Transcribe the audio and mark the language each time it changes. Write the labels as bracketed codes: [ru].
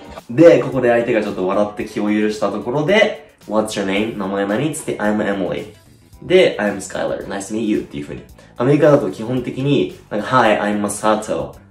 [ja] で、ここで相手がちょっと笑って気を許したところで、 [en] What's your name? [ja] 名前何? [en] つって、I'm Emily。 で、I'm Skylar. Nice to meet you. っていう風に。 [ja] アメリカだと基本的に、なんか、 [en] Hi, I'm Masato.